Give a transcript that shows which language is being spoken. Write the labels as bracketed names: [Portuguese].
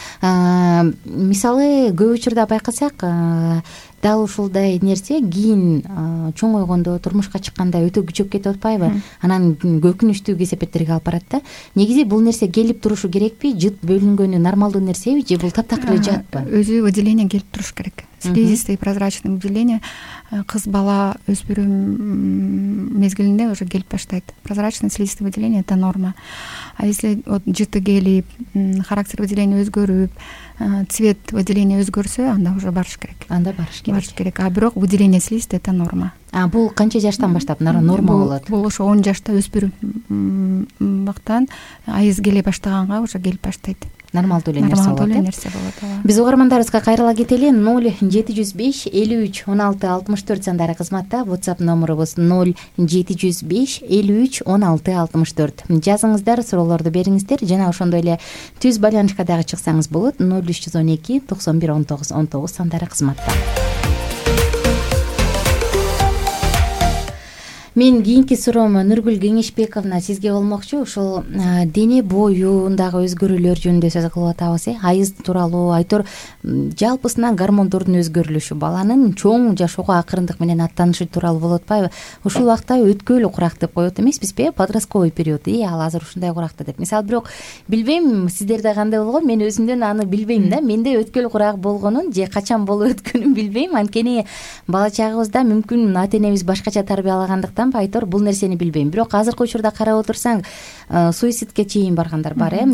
[Kyrgyz] Мисалы, көп учурда байкасак, дал ушундай нерсе кийин чоңойгондо, турмушка чыкканда өтө күчөп кетип атпайбы? Анан көкүнүштүү кесепеттерге алып барат да. Негизи бул нерсе келип турушу керекпи? Жыт бөлүнгөнү нормалдуу нерсеби же бул таптакыр эле жатпы? Өзү выделение келип туруш керек. [Russian] Слизистый прозрачный [Kyrgyz] выделение кыз бала өспүрүм мезгилинде уже келип баштайт. [Russian] Прозрачный слизистый выделение это норма. А если вот [Kyrgyz] жыты келип, [Russian] характер выделения [Kyrgyz] өзгөрүп, [Russian] цвет выделения [Kyrgyz] өзгөрсө, анда уже барыш керек. Анда барыш керек. Барыш керек. А бирок [Russian] выделение слизистый это норма. [Kyrgyz] А бул канча жаштан баштап норма болот? Бул ошо 10 жашта өспүрүм бактан айыз келе баштаганга уже келип баштайт. Нормалдуу эле нерсе болот. Нормалдуу нерсе болот. Биз угармандарыбызга кайрыла кетели. 0705-53-16-64 сандары кызматта. WhatsApp номерибиз 0705-53-16-64. Жазыңыздар, суроолорду бериңиздер. Жана ошондой эле түз байланышка дагы чыксаңыз болот. 0312-91-19-19 сандары кызматта. Мен кийинки суроом Нургүл Кеңешбековна сизге болмокчу. Ушул дене боюундагы өзгөрүүлөр жөнүндө сөз кылып атабыз, э? Айыз тууралуу, айтор жалпысынан гормондордун өзгөрүлүшү, баланын чоң жашоого акырындык менен аттанышы тууралуу болуп атпайбы? Ушул убакта өткөөлү курак деп коет эмеспизби? [Russian] Подростковый период, [Kyrgyz] и ал азыр ушундай куракта деп. Мисалы, бирок билбейм сиздерде кандай болгон, мен өзүмдөн аны билбейм да. Менде өткөөлү курак болгонун же качан боло өткөнүн билбейм. Анткени бала чагыбызда мүмкүн ата энебиз башкача тарбиялагандык айтор бул нерсени билбейм. Бирок азыркы учурда карап отурсаң, суицидке чейин баргандар бар, э?